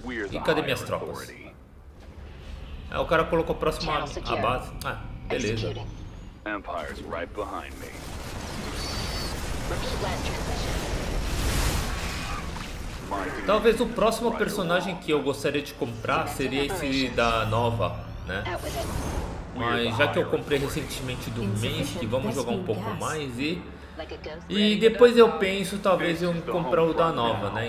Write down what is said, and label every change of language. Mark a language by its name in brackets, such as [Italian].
[Portuguese] E cadê minhas tropas? Ah, o cara colocou próximo à base. Ah, beleza. [English] Empire's right behind me. Rookie land transition. [Portuguese] Talvez o próximo personagem que eu gostaria de comprar seria esse da nova, né? Mas já que eu comprei recentemente do Mace, vamos jogar um pouco mais e depois eu penso, talvez eu comprar o da nova, né?